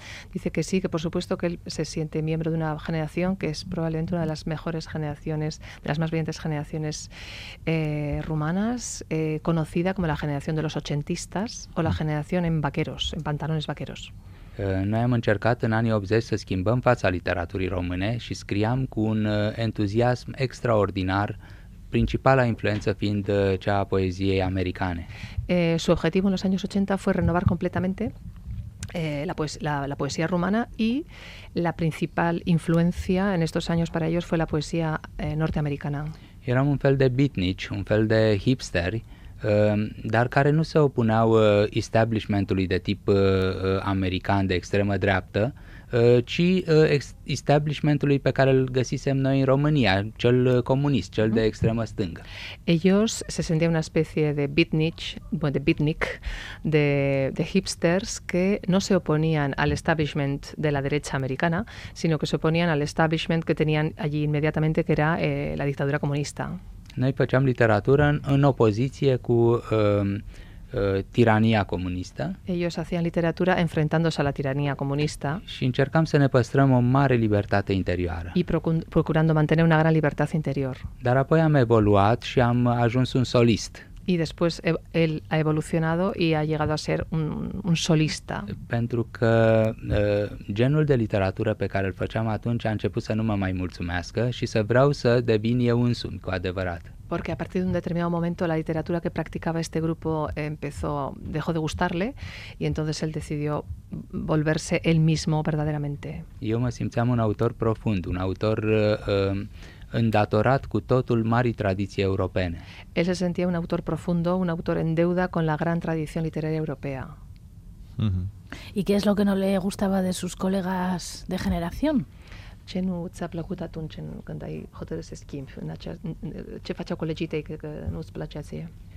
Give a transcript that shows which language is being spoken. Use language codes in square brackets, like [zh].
[es] Dice que sí, que por supuesto que él se siente miembro de una generación que es probablemente una de las mejores generaciones, de las más brillantes generaciones rumanas, conocida como la generación de los ochentistas o la generación en vaqueros, en pantalones vaqueros. [ro] Noi am încercat în anii 80 să schimbăm fața literaturii române și scriam cu un entuziasm extraordinar, principala influență fiind cea a poeziei americane. [es] Su objetivo en los años 80 fue renovar completamente la poesía rumana y la principal influencia en estos años para ellos fue la poesía norteamericana. [ro] Eram un fel de beatnici, un fel de hipsteri, dar care nu se opuneau establishmentului de tip american de extremă dreaptă, ci establishmentului pe care îl găsisem noi în România, cel comunist, cel de extremă stângă. [es] Ellos se sentían una especie de beatnik, bueno, de beatnik, de hipsters que no se oponían al establishment de la derecha americana, sino que se oponían al establishment que tenían allí inmediatamente, que era la dictadura comunista. [ro] Noi făceam literatură în opoziție cu tirania comunistă. [es] Ellos hacían literatura enfrentándose a la tiranía comunista. [ro] Și încercam să ne păstrăm o mare libertate interioară. [es] Y procurando mantener una gran libertad interior. [ro] Dar apoi am evoluat și am ajuns un solist. [es] Y después él ha evolucionado y ha llegado a ser un solista. [ro] Pentru că genul de literatură pe care îl făceam atunci a început să nu mă mai mulțumească și să vreau să devin eu însumi cu adevărat. [es] Porque a partir de un determinado momento la literatura que practicaba este grupo dejó de gustarle y entonces él decidió volverse él mismo verdaderamente. [ro] Eu mă simțeam un autor profund, un autor îndatorat cu totul marii tradiții europene. [es] Él se sentía un autor profundo, un autor en deuda con la gran tradición literaria europea. Uh-huh. ¿Y qué es lo que no le gustaba de sus colegas de generación? [ro] Ce nu ți-a plăcut atunci când ai hotărât să schimbi? Ce faceau colegii tăi că nu îți plăcea ție?